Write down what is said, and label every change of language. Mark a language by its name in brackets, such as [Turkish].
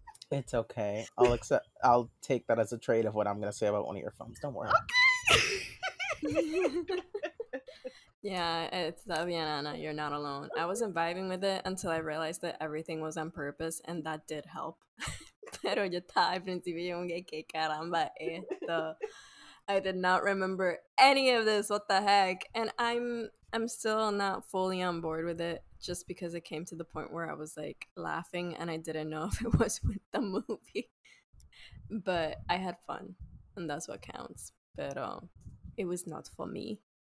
[English] It's okay. I'll take that as a trait of what I'm going to say about one of your films. Don't worry. Okay. Yeah, it's that Vianna. You're not alone. I wasn't vibing with it until I realized that everything was on purpose, and that did help. [Spanish] Pero yo estaba al principio como que qué caramba esto. [English] I did not remember any of this. What the heck? And I'm still not fully on board with it, just because it came to the point where I was like laughing, and I didn't know if it was with the movie. But I had fun, and that's what counts. [Spanish] Pero [English] it was not for me.